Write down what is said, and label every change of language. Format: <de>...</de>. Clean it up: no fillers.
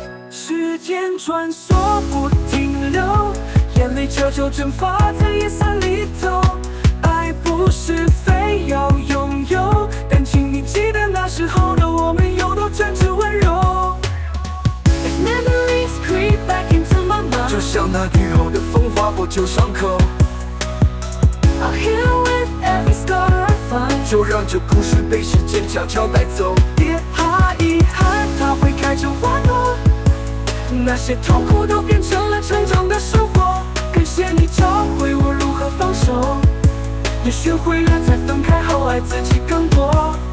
<zh>时间穿梭不停留，眼泪悄悄蒸发在夜色里头。爱不是非要拥有，但请你记得那时候的我们有多真挚温柔。</zh> <en>If memories creep back into my mind，</en> <zh>就像那雨后的风划过旧伤口。</zh> <en>I'll heal with every scar I find，</en> <zh>就让这故事被时间悄悄带走。别怕遗憾，它会开成花朵，那些痛苦都变成了成长的收获。感谢你教会我如何放手，也学会了在分开后爱自己更多。</zh>